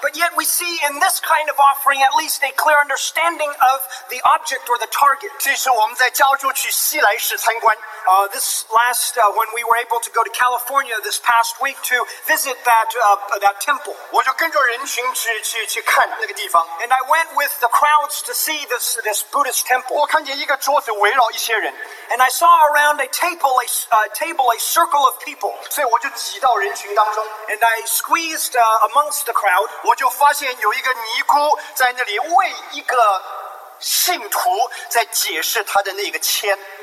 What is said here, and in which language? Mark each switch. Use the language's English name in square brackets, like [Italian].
[English] But yet we see in this kind of offering at least a clear understanding of the object or the target. [Chinese] 这是我们在加州去西来市参观。 [English] When we were able to go to California this past week to visit that temple, [Chinese] 我就跟着人群去看那个地方。 [English] And I went with the crowds to see this Buddhist temple. [Chinese] 我看见一个桌子围绕一些人。 [English] And I saw around a table, a circle of people. [Chinese] 所以我就挤到人群当中。 [English] And I squeezed amongst the crowd. [Chinese] 我就发现有一个尼姑在那里为一个信徒在解释他的那个签。